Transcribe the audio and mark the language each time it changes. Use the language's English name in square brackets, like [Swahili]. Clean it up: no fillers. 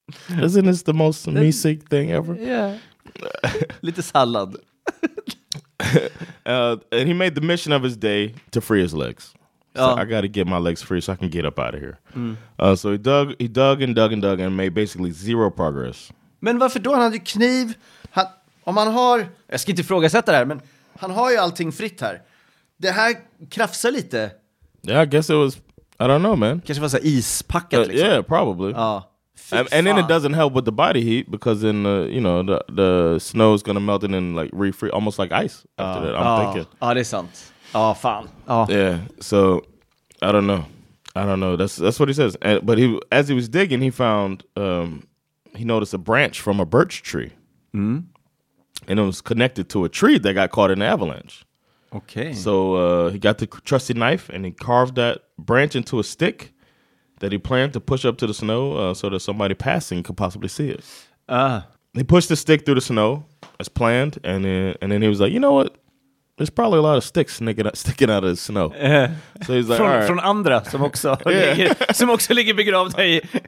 [English] Isn't this the most amazing thing ever? Yeah. Little salad. And he made the mission of his day to free his legs. So I got to get my legs free so I can get up out of here. Mm. So he dug and made basically zero progress. [Swedish] Men varför då? Han hade ju kniv. Han, om han har... Jag ska inte ifrågasätta det här, men han har ju allting fritt här. Det här krafsar lite. [English] Yeah, I guess it was... I don't know, man. [Swedish] Kanske var så ispackat liksom. [English] Yeah, probably. [Swedish] Ja. [English] And then it doesn't help with the body heat because then, you know, the snow is going to melt and then like refreeze, almost like ice after that, I'm thinking. [Swedish] Ja, det är sant. Ja, fan. [English] Yeah, so I don't know. That's what he says. But he, as he was digging, he found... he noticed a branch from a birch tree. Mm. And it was connected to a tree that got caught in the avalanche. Okay. So he got the trusty knife and he carved that branch into a stick that he planned to push up to the snow so that somebody passing could possibly see it. He pushed the stick through the snow as planned. And then he was like, you know what? There's probably a lot of sticks sticking out of the snow. Yeah. So he's like, from, right. [Swedish] From andra som också ligger, som också ligger begravda I.